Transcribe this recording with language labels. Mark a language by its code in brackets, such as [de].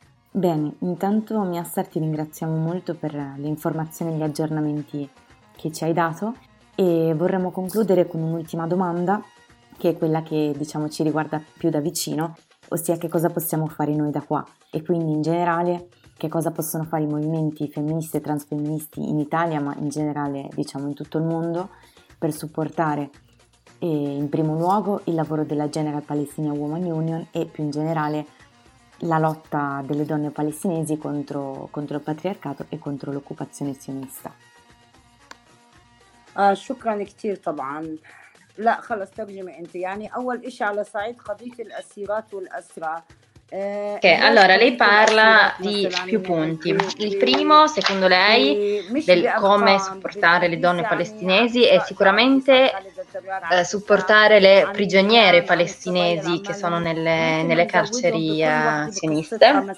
[it] Bene, intanto Miassar ti ringraziamo molto per le informazioni e gli aggiornamenti che ci hai dato e vorremmo concludere con un'ultima domanda che è quella che diciamo ci riguarda più da vicino, ossia che cosa possiamo fare noi da qua e quindi in generale che cosa possono fare i movimenti femministi e transfemministi in Italia ma in generale diciamo in tutto il mondo per supportare in primo luogo il lavoro della General Palestinian Women Union e più in generale la lotta delle donne palestinesi contro il patriarcato e contro l'occupazione sionista. [ar] شكرا كثير طبعا. لا خلص ترجمي انت يعني اول شيء على صعيد قضيه الاسيرات والاسرى. [it] Che okay, allora lei parla di più punti. Il primo, secondo lei, del come supportare le donne palestinesi è sicuramente supportare le prigioniere palestinesi che sono nelle carceri sioniste.